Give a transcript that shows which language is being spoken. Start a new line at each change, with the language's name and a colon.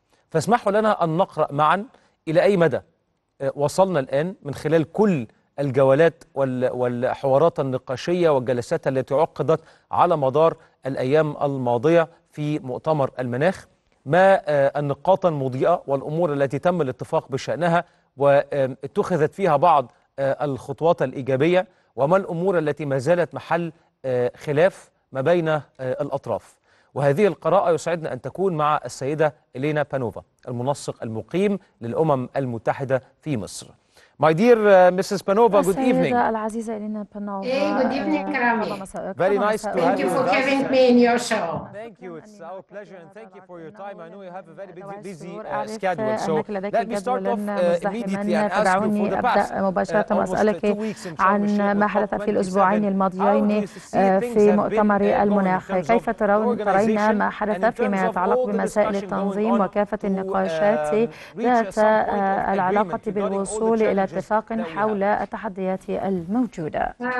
Arabic: فاسمحوا لنا أن نقرأ معا إلى أي مدى وصلنا الآن من خلال كل الجولات والحوارات النقاشية والجلسات التي عقدت على مدار الأيام الماضية في مؤتمر المناخ، ما النقاط المضيئة والأمور التي تم الاتفاق بشأنها واتخذت فيها بعض الخطوات الإيجابية، وما الأمور التي ما زالت محل خلاف ما بين الأطراف. وهذه القراءة يسعدنا أن تكون مع السيدة إلينا بانوفا المنسق المقيم للأمم المتحدة في مصر.
English: My dear Mrs. Panova, good evening.
Arabic: السيدة العزيزة إلينا بانوفا.
English: Hey, good evening, Rami. Very nice to have you. Thank you for having me in your show. Thank you. It's our pleasure and thank you for your time. I know you have a very busy schedule. So let me start off immediately and ask you for the past almost 2 weeks
Arabic: عن ما حدث في الأسبوعين الماضيين في مؤتمر المناخ. كيف ترين ما حدث فيما يتعلق بمسائل التنظيم وكافة النقاشات ذات العلاقة بالوصول إلى اتفاق حول التحديات الموجودة؟